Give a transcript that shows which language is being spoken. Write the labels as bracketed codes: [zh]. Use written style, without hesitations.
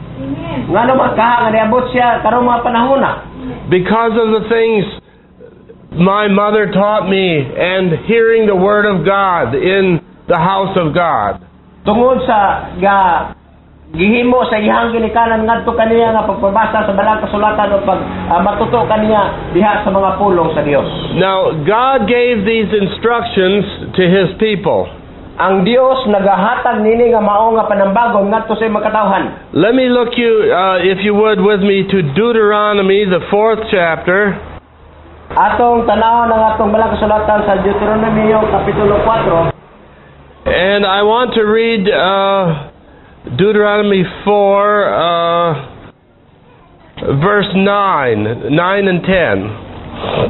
[en] Because of the things my mother taught me and hearing the Word of God in the house of God. Now, God gave these instructions to His people. [ceb] Ang Dios nagahatag nini nga mao nga panambago ngadto sa makatawhan. [en] Let me look you, if you would, with me to Deuteronomy, the 4th chapter. [ceb] Atong tanaw nga atong balang kasulatan sa Deuteronomy, kapitulo 4. [en] And I want to read Deuteronomy 4, verse 9 and 10.